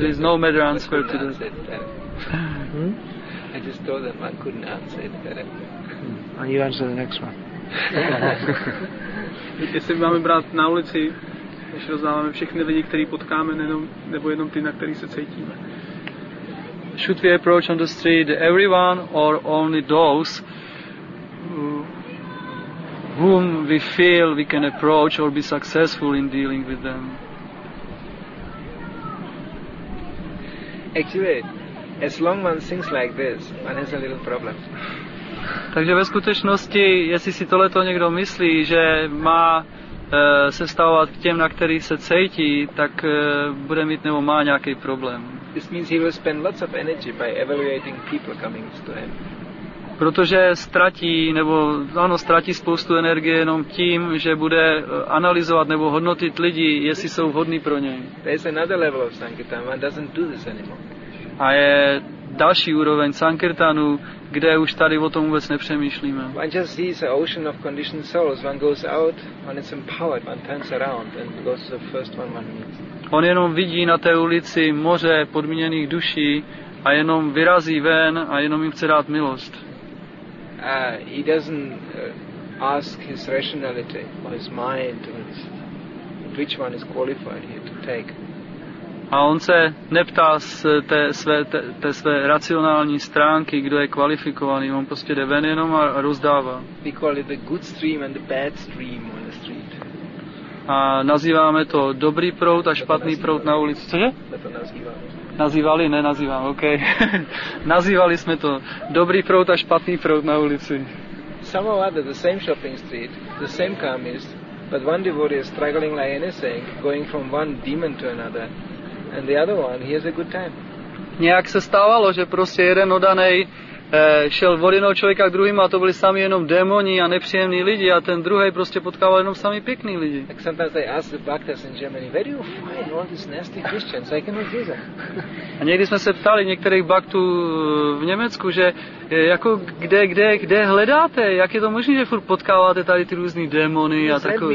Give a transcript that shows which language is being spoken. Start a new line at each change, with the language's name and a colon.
English: There's no matter answer to this. I just told them I couldn't answer it better. And you answer the next one.
Czech: Jestli máme brát na ulici, když rozdáváme všechny lidi, který potkáme, nebo jenom ty, na který se cítíme.
English: Should we approach on the street everyone or only those whom we feel we can approach or be successful in dealing with them? Actually, as long one thinks like this, one has a little problem.
Czech: Takže ve skutečnosti, jestli si tohleto někdo myslí, že má se stavovat k těm, na který se cítí, tak bude mít nebo má nějaký problém.
English: This means he will spend lots of energy by evaluating people coming to him.
Czech: Protože ztratí spoustu energie jenom tím, že bude analyzovat nebo hodnotit lidi, jestli jsou vhodní pro něj.
English: There's another level of sankirtan, one doesn't do this anymore.
Czech: A je další úroveň sankirtanu, kde už tady o tom vůbec nepřemýšlíme.
English: One just sees an ocean of conditioned souls, one goes out, one is empowered, one turns around and goes to the first one one meets.
Czech: On jenom vidí na té ulici moře podmíněných duší a jenom vyrazí ven a jenom jim chce dát milost.
English: He doesn't ask his rationality or his mind or his, which one is qualified here to take.
Czech: A on se neptá z té své racionální stránky, kdo je kvalifikovaný. On prostě jde ven jenom a rozdává.
English: We call it the good stream and the bad stream on the street.
Czech: A nazýváme to dobrý proud a špatný proud na ulici. Cože? Nazývali, ne nazývám, ok. Nazývali jsme to dobrý proud a špatný proud na ulici.
English: Somehow at the same shopping street, the same karmist, but one devotee is struggling like anything, going from one demon to another. And the other one, he has a good time.
Czech: Nějak se stávalo, že prostě jeden odanej šel od jednoho člověka k druhým a to byli sami jenom démoni a nepříjemní lidi a ten druhý prostě potkával jenom sami pěkný lidi.
English: Like sometimes they ask the bhaktas in Germany, where do you find all these nasty Christians? I cannot see them.
Czech: A někdy jsme se ptali některých bhaktů v Německu, že jako kde hledáte? Jak je to možné, že furt potkáváte tady ty různý démony a takový?